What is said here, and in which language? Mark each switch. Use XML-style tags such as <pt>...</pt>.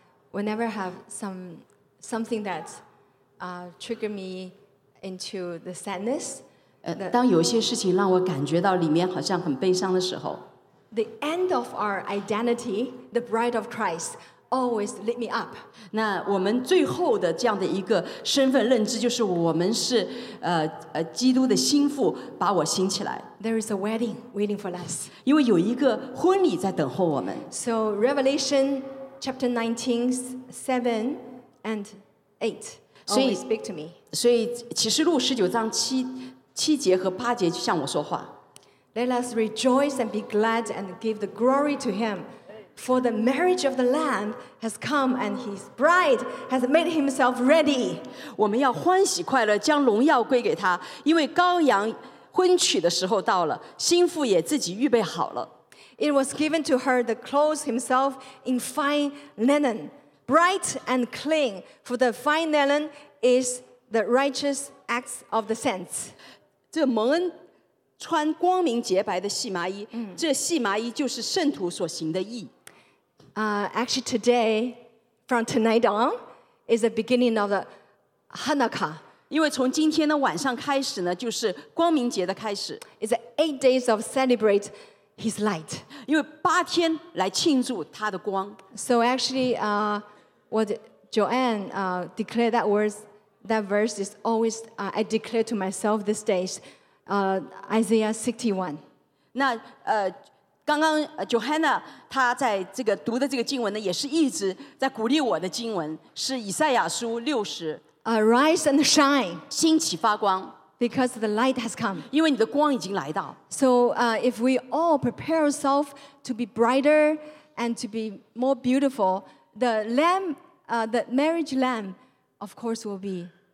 <en>Whenever I have something that's trigger me into the sadness.</en> <zh>当有些事情让我感觉到里面好像很悲伤的时候</zh> <en>，the end of our identity, the bride of Christ, always lit me up.</en> <zh>那我们最后的这样的一个身份认知，就是我们是基督的心腹，把我兴起来。</zh> <en>There is a wedding waiting for us.</en> <zh>因为有一个婚礼在等候我们。</zh> <en>So Revelation chapter 19:7-8. Always speak to me.</en> <zh>所以启示录十九章七节和八节就向我说话。</zh> <en>Let us rejoice and be glad and give the glory to Him, for the marriage of the Lamb has come and His bride has made Himself ready.</en> <zh>我们要欢喜快乐，将荣耀归给他，因为羔羊婚娶的时候到了，新妇也自己预备好了。</zh> <en>It was given to her the clothes Himself in fine linen. Bright and clean, for the fine linen is the righteous acts of the saints.</en> <zh>这蒙恩穿光明洁白的细麻衣，这细麻衣就是圣徒所行的义。</zh> <en>Actually, today, from tonight on, is the beginning of the Hanukkah.</en> <zh>因为从今天的晚上开始呢，就是光明节的开始。</zh> <en>It's 8 days of celebrate. His light,</en> <zh>因为八天来庆祝他的光。</zh> <en>So actually, what Joanne declared that verse is always I declare to myself these days, Isaiah 61.</en> <zh>那刚刚Johanna 她在这个读的这个经文呢，也是一直在鼓励我的经文，是以赛亚书六十。</zh> <en>Arise and shine,</en> <zh>兴起发光。</zh> <en>Because the light has come.</en> <zh>因为你的光已经来到。</zh> <en>So, if we all prepare ourselves to be brighter and to be more beautiful, the marriage lamb, of course, will be</en>